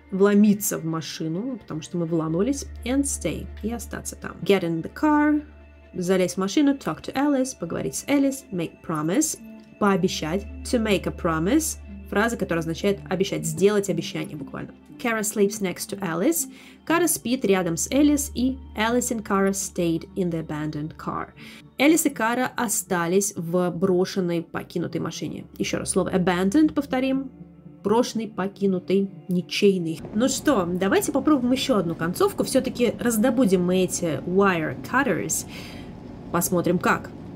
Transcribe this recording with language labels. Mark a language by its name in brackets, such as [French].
[Russian] Вломиться в машину, потому что мы вламывались. [English] And stay. [Russian] И остаться там. [English] Get in the car. [Russian] Залезть в машину. [English] Talk to Alice. [Russian] Поговорить с Alice. [English] Make promise. [Russian] Пообещать. [English] To make a promise. [Russian] Фраза, которая означает обещать. Сделать обещание буквально. [English] Kara sleeps next to Alice. [Russian] Кара спит рядом с Элис. [English] И Alice and Kara stayed in the abandoned car. [Russian] Элис и Кара остались в брошенной, покинутой машине. Еще раз слово abandoned повторим. Брошенный, покинутый, ничейный. Ну что, давайте попробуем еще одну концовку. Все-таки раздобудем мы эти wire cutters. Посмотрим как.